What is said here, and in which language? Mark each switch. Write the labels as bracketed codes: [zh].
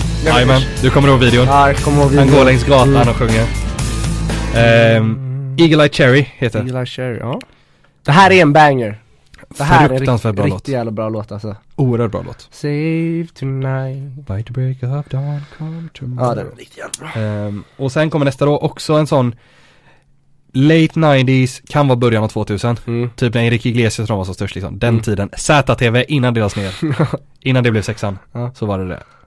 [sv] Jajamän, du kommer ihåg videon. Ja, kommer ihåg videon. Han går längs gatan och sjunger. Eagle Eye Cherry heter. Eagle Eye Cherry, ja. Det här är en banger. Det här är en riktigt jävla bra låt alltså. Oerhört bra låt. [en] Save tonight by the break of dawn, come tomorrow. [sv] Ja, den är riktigt jävla bra. Och sen kommer nästa då också en sån [en] late 90s, [sv] kan vara början av 2000. Mm. Typ när Erik Iglesias var så störst liksom. Den tiden, ZTV innan det lades ner. Innan det blev sexan. Ja. Så var det.